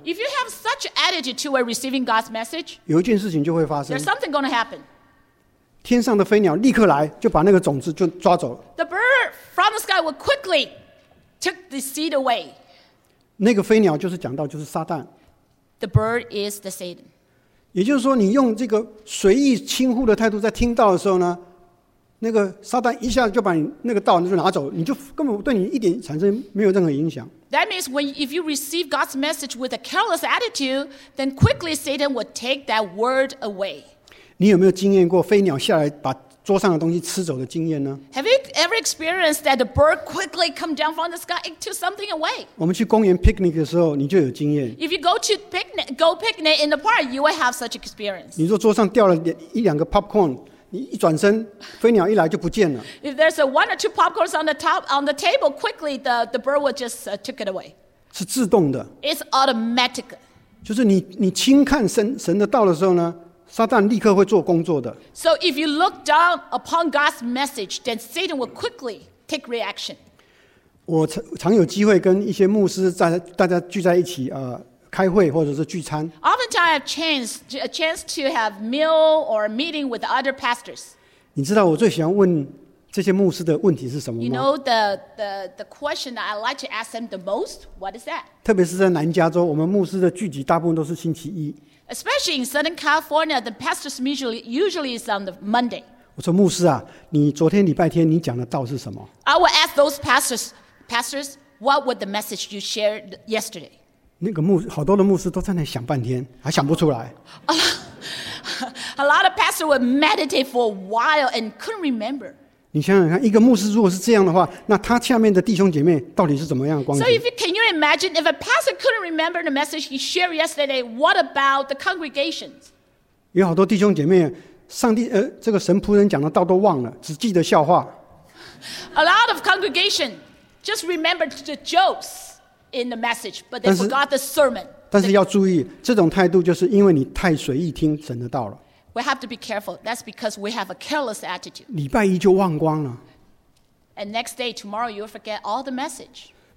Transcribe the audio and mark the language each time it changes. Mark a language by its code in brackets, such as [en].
[en] If you have such attitude toward receiving God's message, [zh] 有一件事情就会发生。 [en] There's something going to happen. [zh] 天上的飞鸟立刻来，就把那个种子就抓走了。 [en] The bird from the sky will quickly take the seed away. [zh] 那个飞鸟就是讲到就是撒旦。 [en] The bird is the Satan. [zh] 也就是说你用这个随意轻忽的态度在听到的时候呢，那个撒旦一下就把你那个道就拿走，你就根本对你一点产生没有任何影响。 [en] That means when if you receive God's message with a careless attitude, then quickly Satan will take that word away. [zh] 你有没有经验过飞鸟下来把桌上的东西吃走的经验呢？ [en] Have you ever experienced that the bird quickly come down from the sky and took something away? [zh] 我们去公园 picnic 的时候你就有经验。 [en] If you go picnic in the park, you will have such experience. [zh] 你说桌上掉了一两个 popcorn, [en] If there's a one or two popcorns on the top on the table, quickly the bird will just took it away. [zh] 是自动的. [en] It's automatic. [zh] 就是你轻看神的道的时候呢, 撒旦立刻会做工作的. [en] So if you look down upon God's message, then Satan will quickly take reaction. [zh] 我常有机会跟一些牧师大家聚在一起, 开会或者是聚餐. [en] Oftentimes I have a chance to have meal or a meeting with other pastors. [zh] 你知道我最喜欢问这些牧师的问题是什么吗? [en] You know the question that I like to ask them the most, what is that? [zh] 特别是在南加州, 我们牧师的聚集大部分都是星期一。 [en] Especially in Southern California, the pastors usually is on the Monday. [zh] 我说牧师啊, 你昨天礼拜天, 你讲的道是什么? [en] I will ask those pastors, what was the message you shared yesterday? [zh] 好多的牧师都在那想半天，还想不出来。 [en] A lot of pastors would meditate for a while and couldn't remember. [zh] 你想想看，一个牧师如果是这样的话，那他下面的弟兄姐妹到底是怎么样的光景？ [en] So can you imagine if a pastor couldn't remember the message he shared yesterday, what about the congregations? [zh] 有好多弟兄姐妹，上帝这个神仆人讲的道都忘了，只记得笑话。 [en] A lot of congregation just remembered the jokes in the message, but they forgot the sermon. [zh] 但是要注意，这种态度就是因为你太随意听神的道了。 [en] We have to be careful. That's because we have a careless attitude. [zh] 礼拜一就忘光了。 [en] And next day, tomorrow, you'll forget all the message.